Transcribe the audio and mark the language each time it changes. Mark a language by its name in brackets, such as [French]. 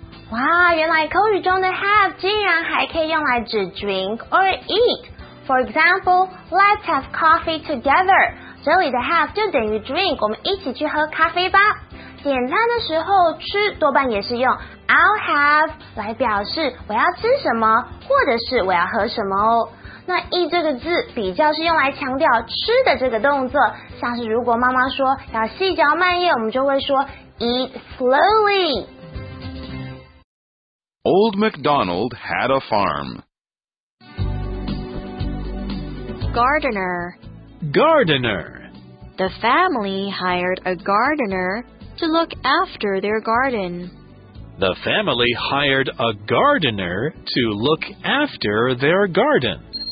[Chinese] 哇，原来口语中的 have 竟然还可以用来指 [English] drink or eat. For example, let's have coffee together. [Chinese] 这里的 have 就等于 drink, 我们一起去喝咖啡吧。点餐的时候吃多半也是用 [English] I'll have [Chinese] 来表示我要吃什么或者是我要喝什么哦。那 eat 这个字比较是用来强调吃的这个动作，像是如果妈妈说要细嚼慢咽，我们就会说 [English] eat slowly. Old MacDonald had a farm. Gardener. Gardener. The family hired a gardener to look after their garden. The family hired a gardener to look after their garden.